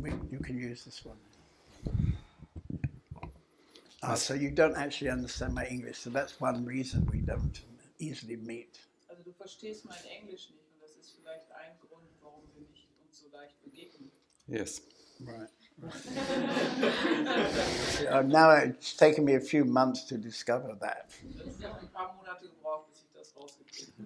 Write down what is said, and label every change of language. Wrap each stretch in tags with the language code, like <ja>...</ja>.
<en>You can use this one. So you don't actually understand my English, so that's one reason we don't easily meet.</en> <de>Also du verstehst mein Englisch nicht, und das ist vielleicht ein Grund, warum wir nicht uns so leicht begegnen.</de> <en>Yes. Right. Now it's taken me a few months to discover that.</en> <de>Es hat ein paar Monate gebraucht, bis ich das rausgekriegt</de>